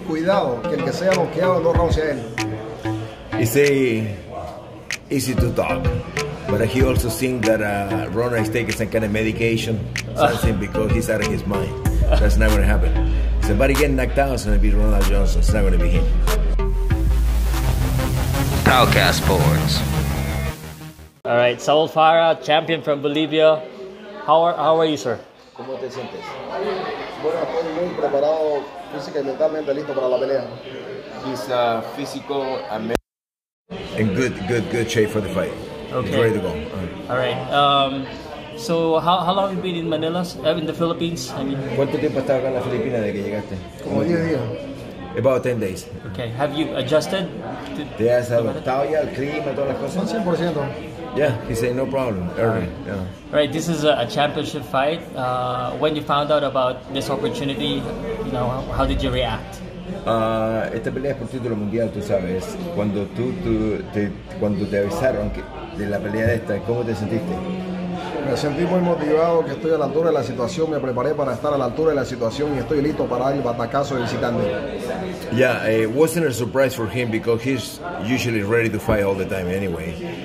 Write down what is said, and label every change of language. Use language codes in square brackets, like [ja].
[es] Cuidado, que el que sea noqueado dos rounds sea él. [en] Es easy to talk, but he also thinks that Ronda is taking some kind of medication, something because he's out of his mind. That's never going to happen. Somebody getting knocked out is going to be Ronda Johnson. It's not going to be him. Powercast Sports. All right, Saul Farra, champion from Bolivia. How are you, sir? [es] ¿Cómo te sientes? Bueno, estoy muy preparado física y mentalmente, listo para la pelea. [en] He's físico and mental. In good shape for the fight. Okay. He's ready to go. All right. All right. So how long have you been in Manila, in the Philippines? I mean, [es] ¿cuánto tiempo estás acá en las Filipinas desde que llegaste? Como 10 días. [en] About 10 days. Okay, have you adjusted? [es] ¿Te has adaptado ya al clima, todas las cosas? 100%. [en] Yeah, he said no problem. Early. Yeah. Right, this is a championship fight. When you found out about this opportunity, you know, how did you react? [es] Esta pelea es por título mundial, tú sabes. Cuando te avisaron que de la pelea esta, ¿cómo te sentiste? Me sentí muy motivado, que estoy a la altura de la situación, me preparé para estar a la altura de la situación y estoy listo para dar el batacazo del visitante. [en] Yeah, it wasn't a surprise for him because he's usually ready to fight all the time anyway.